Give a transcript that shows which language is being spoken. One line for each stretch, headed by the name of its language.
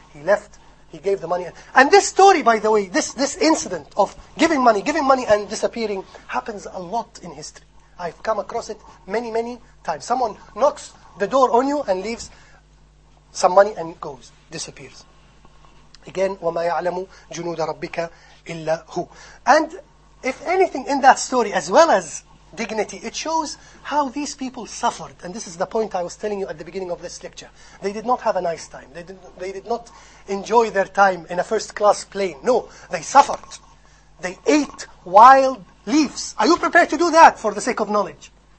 English: He left, he gave the money. And this story, by the way, this incident of giving money and disappearing happens a lot in history. I've come across it many, many times. Someone knocks the door on you and leaves some money and goes, disappears.
Arabic: Again, وَمَا يَعْلَمُ جُنُودَ رَبِّكَ إِلَّا هُوَ.
English: And if anything in that story, as well as dignity, it shows how these people suffered. And this is the point I was telling you at the beginning of this lecture. They did not have a nice time. They did not enjoy their time in a first-class plane. No, they suffered. They ate wild leaves. Are you prepared to do that for the sake of knowledge?